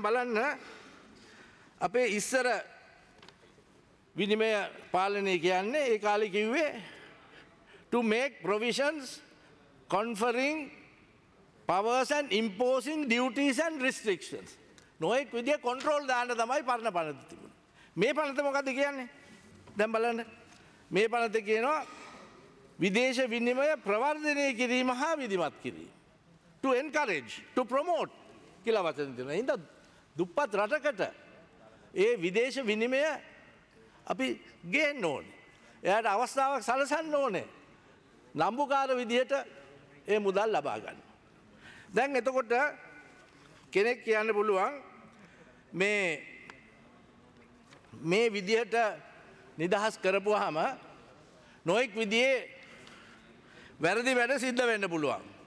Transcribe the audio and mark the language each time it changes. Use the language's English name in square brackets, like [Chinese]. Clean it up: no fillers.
[Sinhala] දැන් බලන්න අපේ ඉස්සර විනිමය පාලනය කියන්නේ ඒ කාලේ කිව්වේ [English] to make provisions conferring powers and imposing duties and restrictions. [Sinhala] නොයෙක් විදිය කොන්ට්‍රෝල් දාන්න තමයි පරණ පනත තිබුණේ. මේ පනත මොකද්ද කියන්නේ? දැන් බලන්න මේ පනත කියනවා විදේශ විනිමය ප්‍රවර්ධනය කිරීම හා විධිමත් කිරීම. [English] To encourage, to promote [Sinhala] කියලා වචන දෙනවා. එහෙනම් දුප්පත් රටකට ඒ විදේශ විනිමය අපි ගේන්න ඕනේ. එයාට අවස්ථාවක් සලසන්න ඕනේ. නම්බුකාර විදිහට ඒ මුදල් ලබා ගන්න. දැන් එතකොට කෙනෙක් කියන්න පුළුවන් මේ විදිහට නිදහස් කරපුවාම නොයෙක් විදිහේ වැරදි වැඩ සිද්ධ වෙන්න පුළුවන්.